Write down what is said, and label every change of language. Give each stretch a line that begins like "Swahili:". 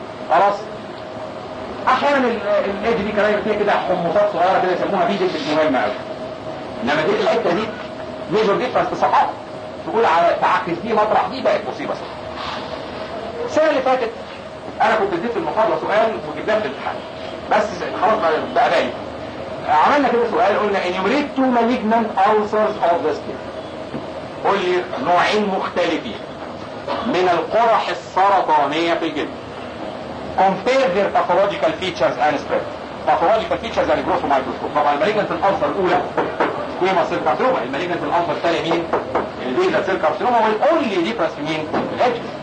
Arabic: خلاص؟ احيانا الايدج دي كمان فيها كده حمصات صغيره كده يسموها فيجن مش مهمه قوي. انما دي الحته دي ميجر ديفرنس بصحتها. تقول على التعاكس دي مطرح دي بقت مصيبه صح. السنه اللي فاتت انا كنت اديت في المحاضره سؤال وجبناه في الامتحان. بس خلاص بقى بالي. عملنا كده سؤال قلنا
English: enumerate two malignant ulcers of the skin.
Arabic: قول لي نوعين مختلفين من القرح السرطانية في الجلد.
English: Compare their pathological features and spread.
Arabic: باثولوجيكال فيتشرز على جروث مايكروسكوب. طبعا المالينجنت الانصر الاولى سكويما سيل كارسينوما, المالينجنت الانصر الثانيه مين؟ البيتا سيل كارسينوما, والاونلي ديفرنس مين؟ الهيد.